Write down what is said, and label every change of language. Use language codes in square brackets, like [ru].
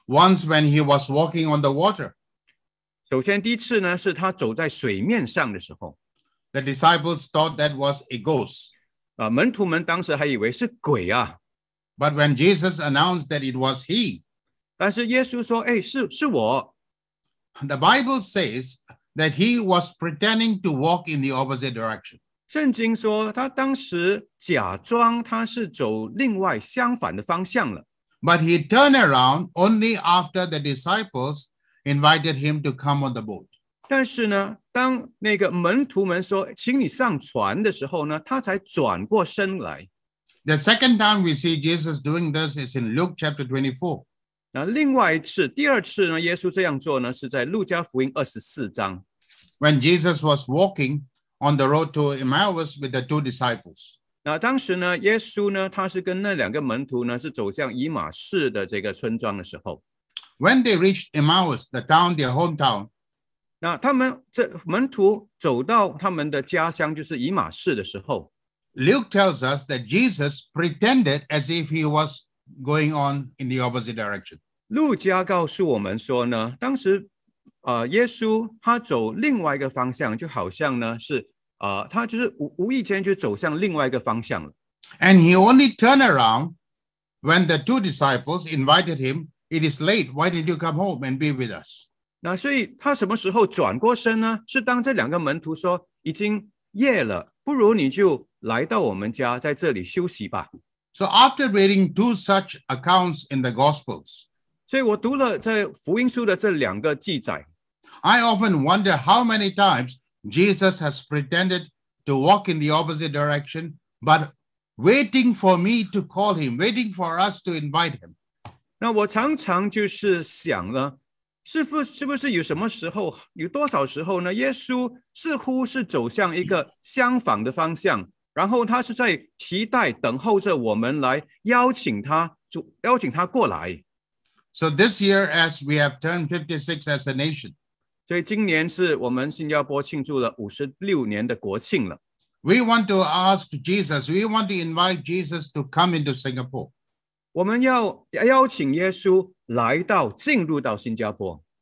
[en] Once when he was walking on the water. [zh] 首先第一次呢是他走在水面上的时候。 [en] The disciples thought that was a ghost. [zh] 门徒们当时还以为是鬼啊。 [en] But when Jesus announced that it was he. [zh] 但是耶稣说哎是我。 [en] The Bible says that he was pretending to walk in the opposite direction. [zh] 圣经说他当时假装他是走另外相反的方向了。 [en] But he turned around only after the disciples invited him to come on the boat. [zh] 但是呢当那个门徒们说请你上船的时候呢他才转过身来。 [en] The second time we see Jesus doing this is in Luke chapter 24. [zh] 那另外一次第二次呢耶稣这样做呢是在路加福音24章。 [en] When Jesus was walking on the road to Emmaus with the two disciples. [zh] 那当时呢耶稣呢他是跟那两个门徒呢是走向以马士的这个村庄的时候。 [en] When they reached Emmaus, the town, their hometown. [zh] 那他们这门徒走到他们的家乡就是以马士的时候。 [en] Luke tells us that Jesus pretended as if he was going on in the opposite direction. [zh] 路加告诉我们说呢，当时，耶稣他走另外一个方向，就好像呢是，他就是无意间就走向另外一个方向了。 [en] And he only turned around when the two disciples invited him. It is late. Why did you come home and be with us? [zh] 那所以他什么时候转过身呢？是当这两个门徒说已经夜了，不如你就来到我们家，在这里休息吧。 [en] So after reading two such accounts in the Gospels, [zh] 所以我读了在福音书的这两个记载 [en] I often wonder how many times Jesus has pretended to walk in the opposite direction, but waiting for me to call him, waiting for us to invite him. [zh] 那我常常就是想了，是不是有什么时候，有多少时候呢？耶稣似乎是走向一个相反的方向。然后他是在期待等候着我们来邀请他过来。 [en] So this year as we have turned 56 as a nation. [zh] 所以今年是我们新加坡庆祝了56年的国庆了。 [en] We want to ask Jesus, we want to invite Jesus to come into Singapore. [zh] 我们要邀请耶稣来到进入到新加坡。